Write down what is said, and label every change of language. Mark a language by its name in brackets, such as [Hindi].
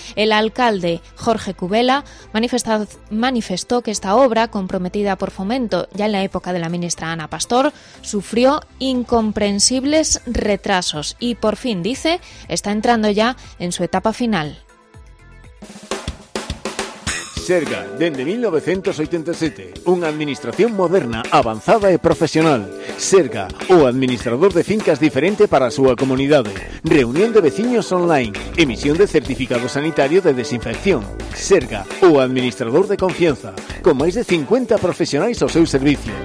[Spanish] El alcalde Jorge Cubela manifestó que esta obra, comprometida por Fomento ya en la época de la ministra Ana Pastor, sufrió incomprensibles retrasos y por fin, dice, está entrando ya en su etapa final. [Galician] Serga, dende 1987, unha administración moderna, avanzada e profesional. Serga, o administrador de fincas diferente para a súa comunidade. Reunión de veciños online, emisión de certificado sanitario de desinfección. Serga, o administrador de confianza, con máis de 50 profesionais ao seu servicio.